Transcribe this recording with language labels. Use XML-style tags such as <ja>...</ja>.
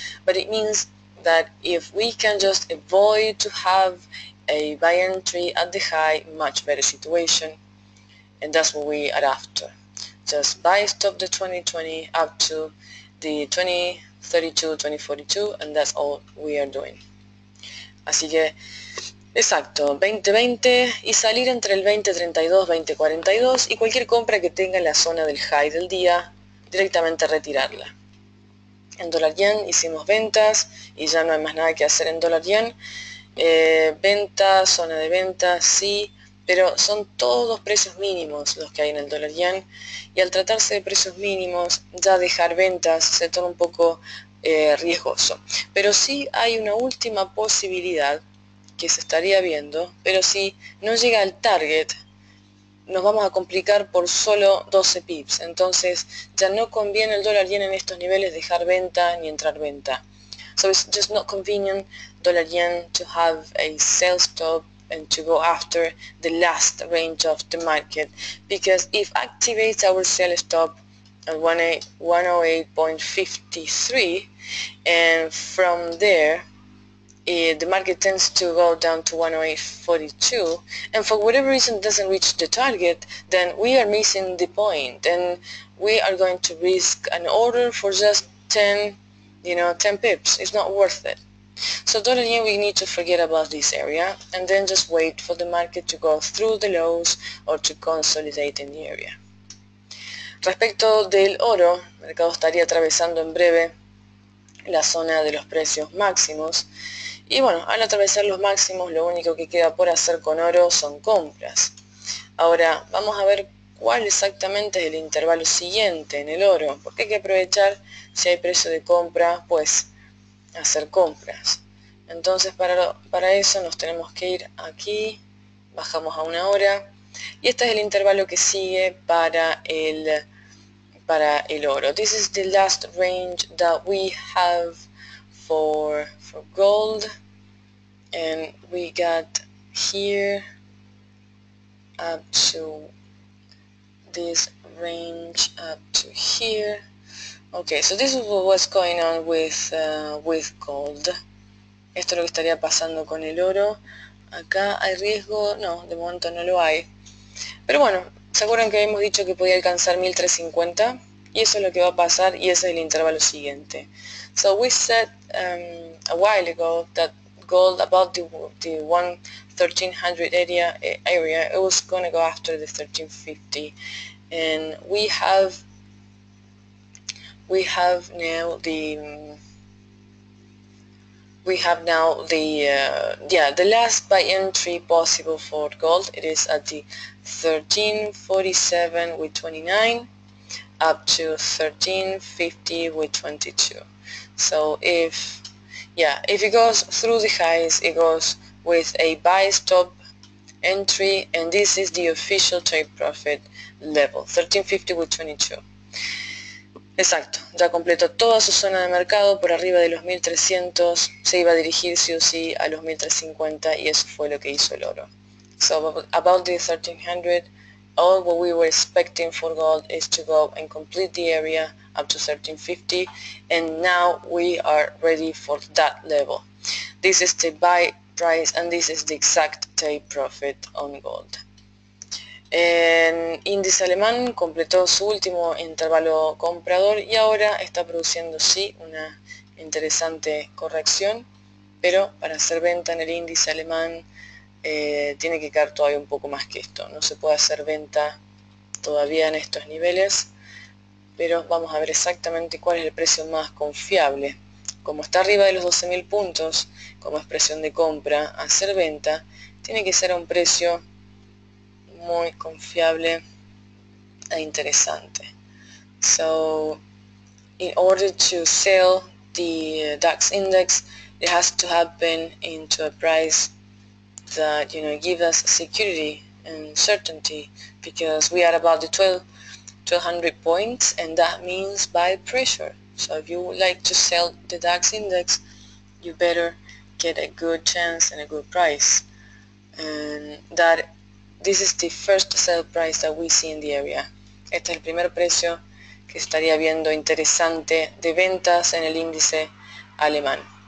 <en>But it means that if we can just avoid to have a buy entry at the high, much better situation. And that's what we are after. Just buy stop the 2020 up to the 2032, 2042, and that's all we are doing.</en> <es>Así que, exacto, 2020 y salir entre el 2032, 2042 y cualquier compra que tenga en la zona del high del día, directamente retirarla. En dólar yen hicimos ventas y ya no hay más nada que hacer en dólar yen. Ventas, zona de ventas, sí, pero son todos precios mínimos los que hay en el dólar yen y al tratarse de precios mínimos, ya dejar ventas se torna un poco riesgoso. Pero sí hay una última posibilidad que se estaría viendo, pero si no llega al target, nos vamos a complicar por solo 12 pips. Entonces, ya no conviene el dólar yen en estos niveles dejar venta ni entrar venta.</es> <en>So it's just not convenient dollar yen to have a sell stop and to go after the last range of the market, because if activates our sell stop at 108.53 and from there the market tends to go down to 108.42, and for whatever reason doesn't reach the target, then we are missing the point, and we are going to risk an order for just 10 pips. It's not worth it. So total year we need to forget about this area and then just wait for the market to go through the lows or to consolidate in the area.</en> <es>Respecto del oro, el mercado estaría atravesando en breve la zona de los precios máximos. Y bueno, al atravesar los máximos, lo único que queda por hacer con oro son compras. Ahora, vamos a ver cuál exactamente es el intervalo siguiente en el oro, porque hay que aprovechar, si hay precio de compra, pues hacer compras. Entonces, para eso nos tenemos que ir aquí, bajamos a una hora, y este es el intervalo que sigue para el oro.</es> <en>This is the last range that we have for gold, and we got here up to this range up to here. Okay, so this is what's going on with gold.</en> <es>Esto es lo que estaría pasando con el oro. Acá hay riesgo, no, de momento no lo hay, pero bueno, ¿se acuerdan que habíamos dicho que podía alcanzar 1350? Y eso es lo que va a pasar, y ese es el intervalo siguiente.</es> <en>So we said a while ago that gold about the 1300 area, it was going to go after the 1350. And we have now the last buy entry possible for gold. It is at the 1347 with 29. Up to 1350 with 22. So if it goes through the highs, it goes with a buy stop entry, and this is the official trade profit level, 1350 with 22.</en> <es>Exacto, ya completó toda su zona de mercado por arriba de los 1300, se iba a dirigir sí o sí a los 1350, y eso fue lo que hizo el oro.</es> <en>So about the 1300, all what we were expecting for gold is to go and complete the area up to 1350, and now we are ready for that level. This is the buy price, and this is the exact take profit on gold.</en> <es>Índice alemán completó su último intervalo comprador y ahora está produciendo sí una interesante corrección, pero para hacer venta en el índice alemán tiene que caer todavía un poco más que esto. No se puede hacer venta todavía en estos niveles, pero vamos a ver exactamente cuál es el precio más confiable. Como está arriba de los 12.000 puntos, como expresión de compra, hacer venta tiene que ser a un precio muy confiable e interesante.</es> <en>So, in order to sell the DAX index, it has to happen into a price that, you know, give us security and certainty, because we are about the 1200 points, and that means buy pressure. So if you would like to sell the DAX index, you better get a good chance and a good price. And that this is the first sell price that we see in the area.</en> <es>Este es el primer precio que estaría viendo interesante de ventas en el índice alemán.</es>